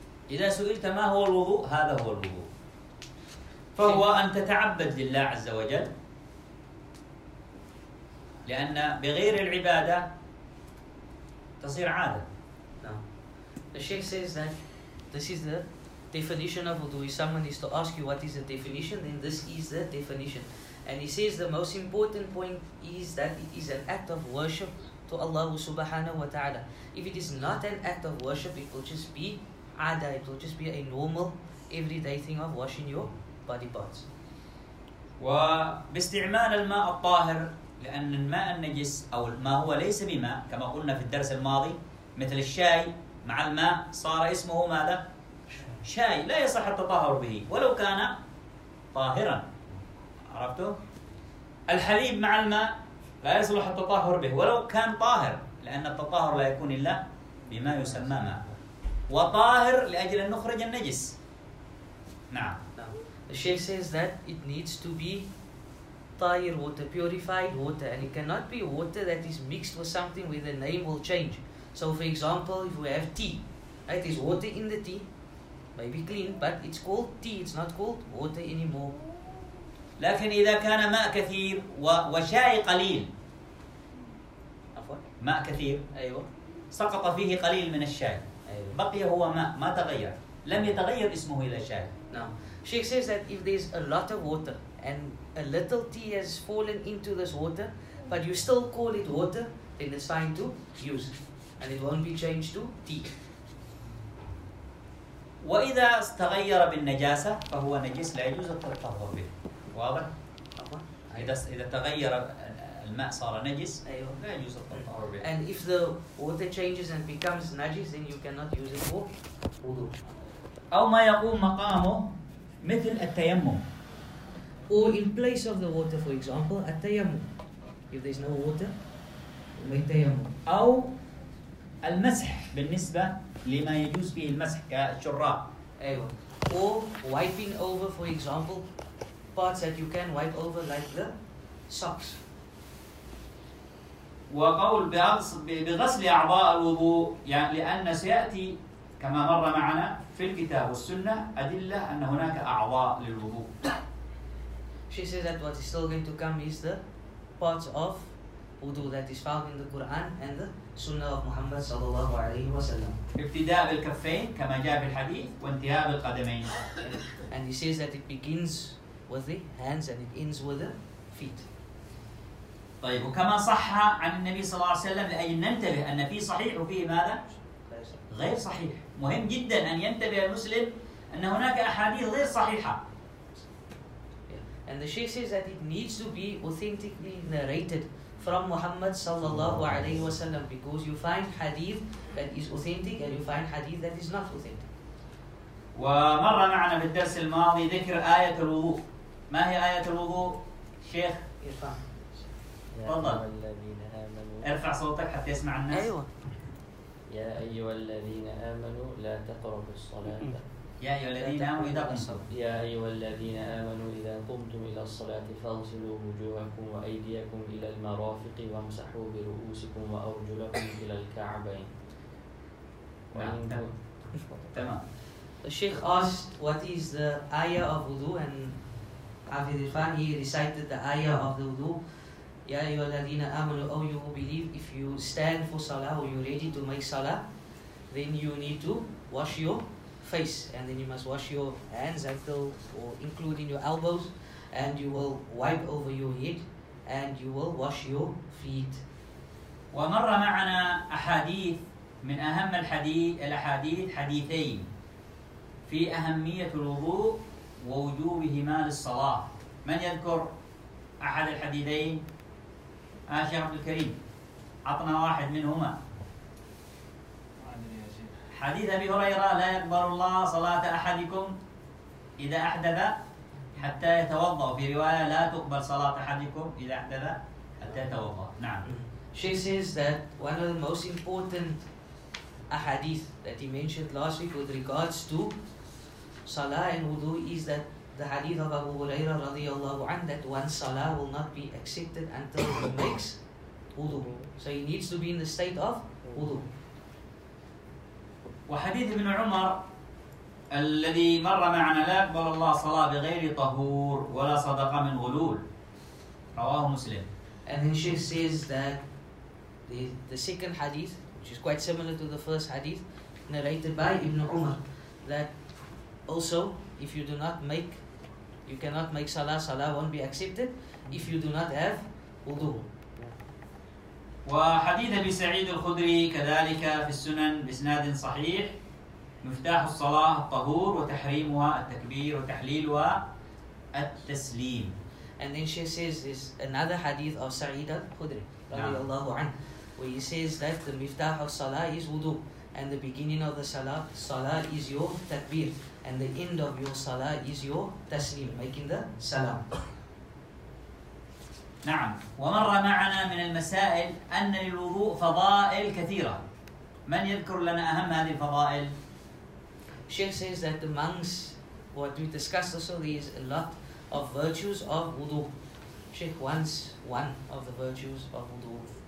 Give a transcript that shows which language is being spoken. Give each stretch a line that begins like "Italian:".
Arabic: إذا سئلت ما هو الوضوء؟ هذا هو الوضوء، فهو أن تتعبد لله عز وجل، لأن بغير العبادة تصير عادة.
English: الشيخ says that this is the definition of wudu. If someone is to ask you what is the definition, then this is the definition. And he says the most important point is that it is an act of worship to Allah
Arabic: subhanahu wa ta'ala.
English: If it is not an act of worship, it will just be ada, it will just be a normal everyday thing of washing your body parts.
Arabic: وباستعمال الماء الطاهر، لأن الماء النجس أو ما هو ليس بماء كما قلنا في الدرس الماضي، مثل الشاي مع الماء صار اسمه ماذا؟ شاي، لا يصح التطهر به ولو كان طاهرا. عرفتوا؟ الحليب مع الماء لا يصلح التطهر به ولو كان طاهر، لأن التطهر لا يكون إلا بما يسمى ماء، وطاهر لأجل أن نخرج النجس. نعم.
English: The Sheikh says that it needs to be tahir water, purified water, and it cannot be water that is mixed with something where the name will change. So for example, if we have tea, it is water in the tea, maybe clean, but it's called tea, it's not called water anymore.
Arabic: لكن إذا كان ماء كثير وشاي قليل، ماء كثير سقط فيه قليل من الشاي، بقي هو ماء، ما تغير، لم يتغير اسمه إلى شاي.
English: Now, Sheikh says that if there's a lot of water and a little tea has fallen into this water, but you still call it water, then it's fine to use it and it won't be changed to tea.
Arabic: وإذا تغير بالنجاسة فهو نجس لا يجوز التطهر به. واضح؟ إذا تغير الماء صار نجس لا يجوز التطهر به.
English: And if the water changes and becomes najis, then you cannot use it for wudu.
Arabic: أو ما يقوم مقامه مثل التيمم.
English: Or in place of the water, for example, التيمم. If there's no water, make التيمم.
Arabic: أو المسح بالنسبة لما يجوز فيه المسح كالشراب. أيوة.
English: Or wiping over, for example, parts that you can wipe over like the socks.
Arabic: وقول بغسل أعضاء الوضوء، يعني لأن سيأتي كما مر معنا في الكتاب والسنة أدلة أن هناك أعضاء للوضوء.
English: She says that what is still going to come is the parts of wudu that is found in the Quran and the Sunnah of Muhammad
Arabic: صلى الله عليه وسلم. ابتداء بالكفين كما جاء في الحديث وانتهاء بالقدمين.
English: And he says that it begins with the hands and it ends with the feet.
Arabic: طيب، وكما صح عن النبي صلى الله عليه وسلم، لأي ننتبه أن فيه صحيح وفيه ماذا؟ غير صحيح. مهم جدا أن ينتبه المسلم أن هناك أحاديث غير صحيحة.
English: And the Sheikh says that it needs to be authentically narrated from Muhammad
Arabic: sallallahu alayhi wa sallam,
English: because you find hadith that is authentic and you find hadith that is not authentic.
Arabic: ومر معنا في الدرس الماضي ذكر آية الوضوء. ما هي آية الوضوء شيخ؟ ارفع تفضل، ارفع صوتك حتى يسمع الناس. ايوه. يا أيها الذين آمنوا لا تقربوا الصلاة. يا أيها الذين آمنوا إذا قمتم إلى الصلاة فاغسلوا وجوهكم وأيديكم إلى المرافق وامسحوا برؤوسكم وأرجلكم إلى الكعبين. تمام.
English: The Sheikh asked what is the ayah of wudu and Hafidh Irfan, he recited the ayah of the wudu.
Arabic: يا أيها الذين آمنوا،
English: أو you who believe, if you stand for salah or you're ready to make salah, then you need to wash your face, and then you must wash your hands until, or including your elbows, and you will wipe over your head and you will wash your feet.
Arabic: ومر معنا أحاديث من أهم الأحاديث حديثين في أهمية الوضوء ووجوبهما للصلاة. من يذكر أحد الحديثين؟ شيخ عبد الكريم عطنا واحد منهما. حديث أبي هريرة: لا يقبل الله صلاة أحدكم إذا أحدث حتى يتوضأ. في رواية: لا تقبل صلاة أحدكم إذا أحدث حتى يتوضأ. نعم.
English: She says that one of the most important ahadith that he mentioned last week with regards to salah and wudu is that the hadith of Abu Hurairah
Arabic: radiallahu anhu,
English: that one salah will not be accepted until he makes wudu. So he needs to be in the state of wudu.
Arabic: وحديث ابن عمر الذي مر معنا: لا يقبل الله صلاة بغير طهور ولا صدقة من غلول. رواه مسلم.
English: And then she says that the second hadith, which is quite similar to the first hadith, narrated by Ibn Umar, that also, if you do not make, you cannot make salah, salah won't be accepted if you do not have wudu.
Arabic: وحديث أبي سعيد الخدري كذلك في السنن بإسناد صحيح: مفتاح الصلاة الطهور وتحريمها التكبير وتحليلها التسليم.
English: And then she says this another hadith of Sa'id al-Khudri
Arabic: رضي الله عنه,
English: where he says that the miftah of salah is wudu, and the beginning of the salah, salah is your takbir, and the end of your salah is your taslim, making the salam.
Arabic: نعم. ومر معنا من المسائل أن للوضوء فضائل كثيرة. من يذكر لنا أهم هذه الفضائل؟
English: Sheikh says that amongst what we discussed also, there is a lot of virtues of wudu. Sheikh wants one of the virtues of wudu.